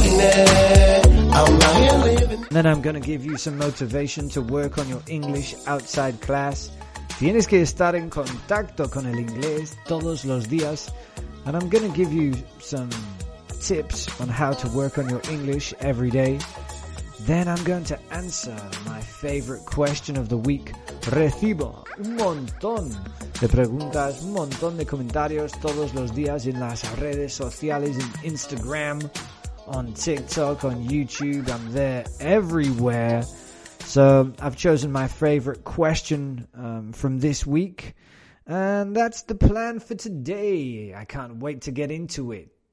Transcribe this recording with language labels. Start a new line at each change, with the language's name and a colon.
English: And then I'm going to give you some motivation to work on your English outside class.
Spanish: Tienes que estar en contacto con el inglés todos los días.
English: And I'm going to give you some tips on how to work on your English every day. Then I'm going to answer my favorite question of the week.
Spanish: Recibo un montón de preguntas, un montón de comentarios todos los días en las redes sociales, en Instagram, on TikTok, on YouTube.
English: I'm there everywhere. So I've chosen my favorite question from this week. And that's the plan for today. I can't wait to get into it.